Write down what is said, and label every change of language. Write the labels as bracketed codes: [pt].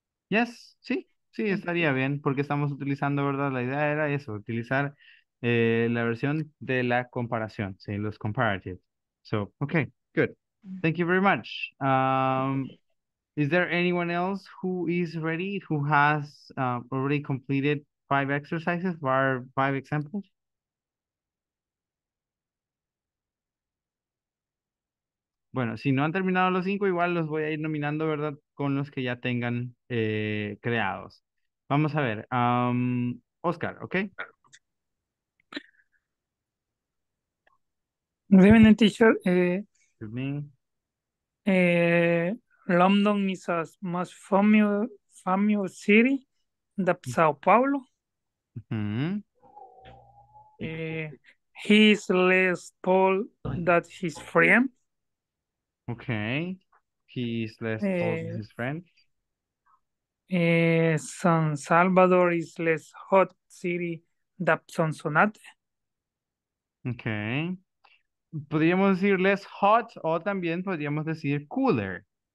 [es] Yes, sí, sí, estaría bien, porque estamos utilizando, ¿verdad? La idea era eso, utilizar la versión de la comparación, sí, los comparatives. [en] So, okay, good. Thank you very much. Is there anyone else who is ready, who has already completed 5 exercises, or 5 examples? [es] Bueno, si no han terminado los 5, igual los voy a ir nominando, ¿verdad? Con los que ya tengan creados. Vamos a ver. Oscar, ¿ok? [en] Good evening, teacher. Good evening. London is a most famous city than Sao Paulo. Mm-hmm. He is less tall than his friend. Okay. He is less tall than his friend. San Salvador is less hot city than Sonsonate. Okay. [es] Podríamos decir less hot o también podríamos decir cooler.